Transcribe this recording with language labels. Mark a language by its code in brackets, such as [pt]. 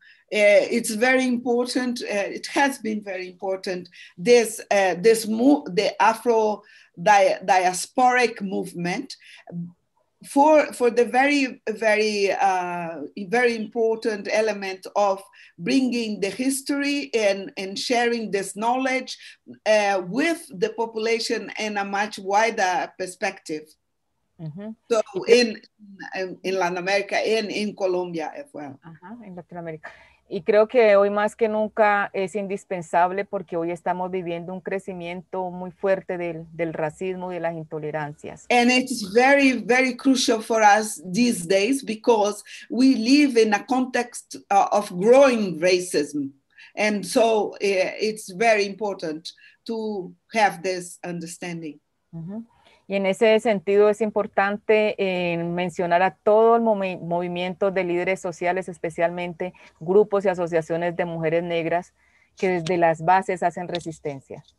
[en] It's very important, it has been very important, the Afro-diasporic movement for the very, very, very important element of bringing the history and sharing this knowledge with the population in a much wider perspective. Mm-hmm. So in Latin America and in Colombia as well. Uh-huh, in Latin America. [es] Y creo que hoy más que nunca es indispensable porque hoy estamos viviendo un crecimiento muy fuerte del racismo y de las intolerancias. [en] And it's very, very crucial for us these days because we live in a context of growing racism. And so it's very important to have this understanding. [es] Y en ese sentido es importante mencionar a todo el movimiento de líderes sociales, especialmente grupos y asociaciones de mujeres negras, que desde las bases hacen resistencia.